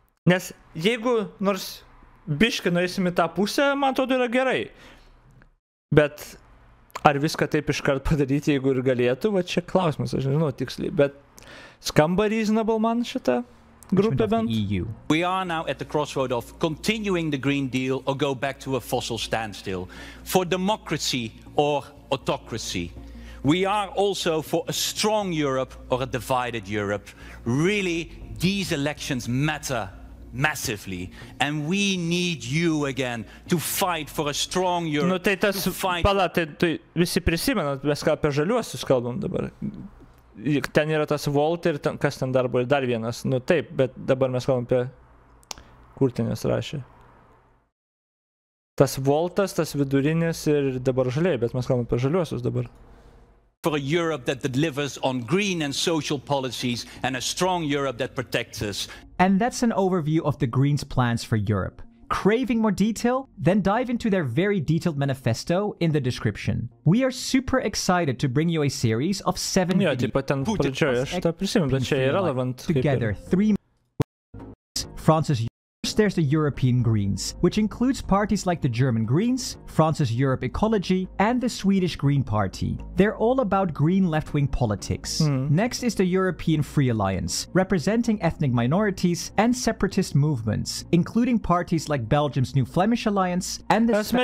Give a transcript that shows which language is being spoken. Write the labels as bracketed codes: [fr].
[lt] Nes jeigu nors biškį nuėsim į tą pusę, man atrodo yra gerai, bet... Ar viską taip iškart padaryti, jeigu ir galėtų? Va čia klausimas, aš nežinau tiksliai, bet skamba reasonable man šita grupė bent. [en] We are now at the crossroad of continuing the Green Deal or go back to a fossil standstill. For democracy or autocracy. We are also for a strong Europe or a divided Europe. Really, these elections matter massively, and we need you again to fight for a strong Europe. [lt] Nu, tai tas, pala, tai visi prisimenat, mes ką apie žaliuosius kalbam dabar. Ten yra tas Volt ir ten, kas ten dar buvo, dar vienas. Nu, taip, bet dabar mes kalbam apie kurtinės rašę. Tas Voltas, tas vidurinis ir dabar žaliai, bet mes kalbam apie žaliuosius dabar. [en] For a Europe that delivers on green and social policies and a strong Europe that protects us. And that's an overview of the Greens' plans for Europe. Craving more detail? Then dive into their very detailed manifesto in the description. We are super excited to bring you a series of 7 videos. [lt] Jo, taip pat ten pradžioje, aš tą prisimenu, bet čia irrelevant. [en] Together, 3 Francis there's the European Greens, which includes parties like the German Greens, France's Europe Ecology, and the Swedish Green Party. They're all about green left-wing politics. Next is the European Free Alliance, representing ethnic minorities and separatist movements, including parties like Belgium's New Flemish Alliance and the...